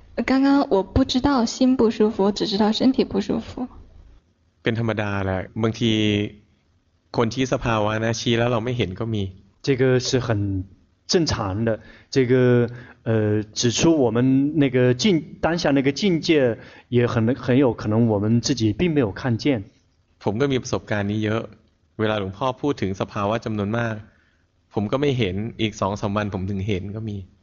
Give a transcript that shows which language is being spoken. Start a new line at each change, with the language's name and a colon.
Chinese: 刚刚我不知道心不舒服，只知道身体不舒服。
Thai: เป็นธรรมดาแหละบางทีคนที่สภาวะนะชี้แล้วเราไม่เห็นก็มี
Chinese: 这个是很正常的，这个指出我们那个境当下那个境界也很有可能我们自己并没有看见。
Thai: ผมก็มีประสบการณ์นี้เยอะเวลาหลวงพ่อพูดถึงสภาวะจำนวนมากผมก็ไม่เห็นอีกสองสามวันผมถึงเห็นก็มี